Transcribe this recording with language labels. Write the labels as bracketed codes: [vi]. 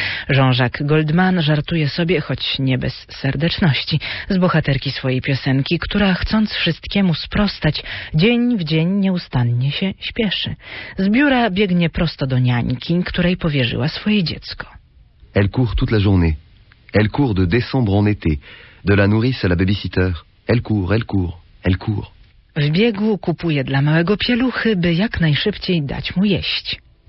[pl] Jean-Jacques Goldman żartuje sobie, choć nie bez serdeczności, z bohaterki swojej piosenki, która chcąc wszystkiemu sprostać, dzień w dzień nieustannie się śpieszy. Z biura biegnie prosto do niańki, której powierzy swoje dziecko. [fr] Elle court toute la journée. Elle court de décembre en été. De la nourrice à la babysitter. Elle court, elle court, elle court. [pl] W biegu kupuje dla małego pieluchy, by jak najszybciej dać mu jeść.